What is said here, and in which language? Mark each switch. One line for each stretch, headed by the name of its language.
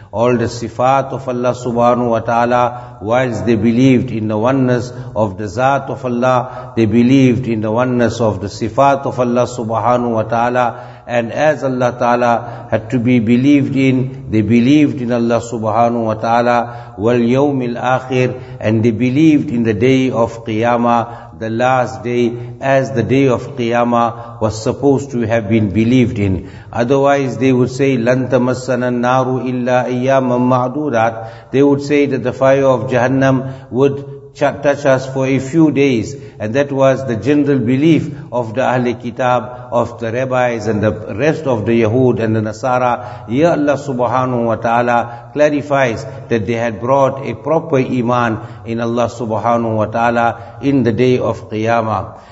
English: All the sifat of Allah subhanahu wa ta'ala, whilst they believed in the oneness of the zat of Allah, they believed in the oneness of the sifat of Allah subhanahu wa ta'ala, and as Allah ta'ala had to be believed in, they believed in Allah subhanahu wa ta'ala, wal yawmil akhir, and they believed in the day of qiyamah, the last day, as the day of qiyamah was supposed to have been believed in. Otherwise they would say,
Arabic: لَن تَمَسَّنَ النَّارُ إِلَّا إِيَّامًا مَعْدُودَاتٍ.
English: They would say that the fire of Jahannam would touch us for a few days. And that was the general belief of the Ahli Kitab, of the rabbis and the rest of the Yahud and the Nasara. Here Allah subhanahu wa ta'ala clarifies that they had brought a proper iman in Allah subhanahu wa ta'ala in the day of Qiyamah.